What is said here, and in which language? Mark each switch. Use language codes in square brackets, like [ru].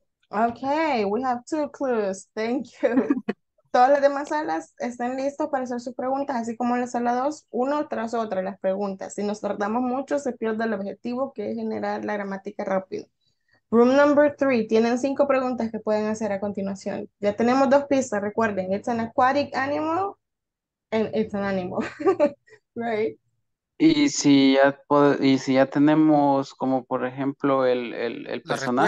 [en] Okay, we have two clues. Thank you. [es] Todas las demás salas están listas para hacer sus preguntas, así como en la sala 2, uno tras otra las preguntas. Si nos tardamos mucho, se pierde el objetivo, que es generar la gramática rápido. [en] Room number 3, [es] tienen cinco preguntas que pueden hacer a continuación. Ya tenemos dos pistas, recuerden, [en] it's an aquatic animal and it's an animal, right? [es] Y si ya tenemos como por ejemplo el personaje.